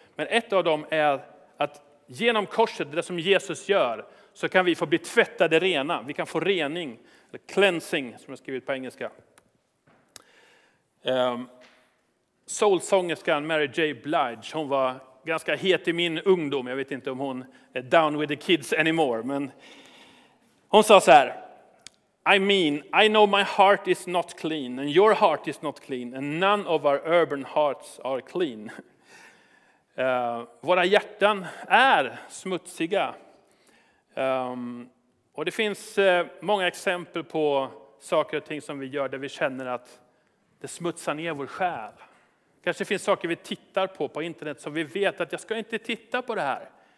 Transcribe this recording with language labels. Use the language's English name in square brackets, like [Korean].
[Swedish] Men ett av dem är att genom korset, det som Jesus gör, så kan vi få bli tvättade rena. Vi kan få rening, eller cleansing som jag skrivit på engelska. Soulsångerskan Mary J. Blige, hon var ganska het i min ungdom. Jag vet inte om hon är [English] down with the kids anymore. [Swedish] Men hon sa så här. [English] I mean, I know my heart is not clean and your heart is not clean and none of our urban hearts are clean. [Swedish] Våra hjärtan är smutsiga. Och det finns många exempel på saker och ting som vi gör där vi känner att det smutsar ner vår själ. Kanske finns saker vi tittar på internet som vi vet att jag ska inte titta på det här.